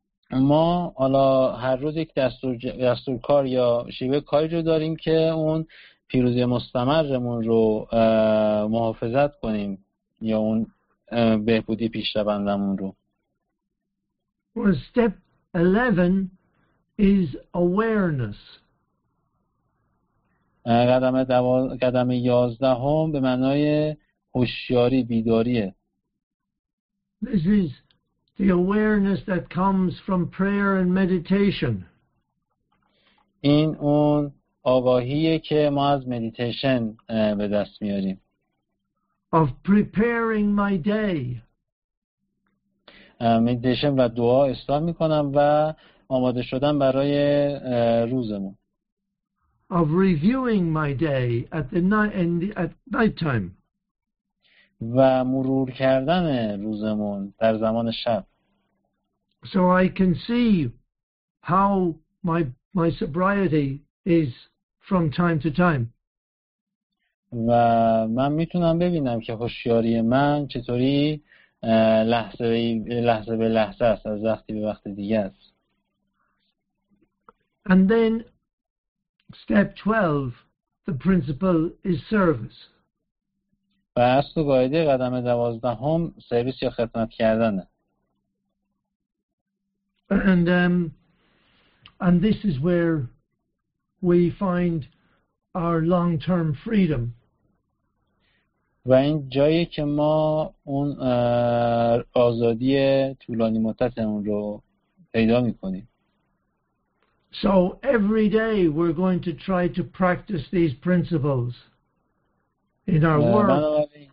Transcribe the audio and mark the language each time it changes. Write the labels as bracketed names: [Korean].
[Persian] ما حالا هر روز یک دستور کار یا شیوه کاری رو داریم که اون پیروزی مستمرمون رو محافظت کنیم یا اون بهبودی پیشروندمون رو. [English] Step 11 is awareness. [Persian] قدم 11 به معنای هوشیاری بیداریه. [English] This is the awareness that comes from prayer and meditation. [Persian] این اون آگاهیه که ما از مدیتیشن به دست میاریم. [English] Of preparing my day. [Persian] مدیتیشن و دعا استارت میکنم و آماده شدن برای روزمون. [English] Of reviewing my day at the night time. [Persian] و مرور کردن روزمون در زمان شب. [English] So I can see how my sobriety is from time to time. [Persian] و من میتونم ببینم که هوشیاری من چطوری لحظه به لحظه است، از وقتی به وقت دیگه است. [English] And then step 12, the principle is service. [Persian] و اصل و قاعده قدم 12 سرویس یا خدمت کردنه. [English] And this is where we find our long-term freedom. [Persian] و این جایی که ما اون آزادی طولانی مدتمون رو پیدا می‌کنیم. [English] So every day we're going to try to practice these principles in our work.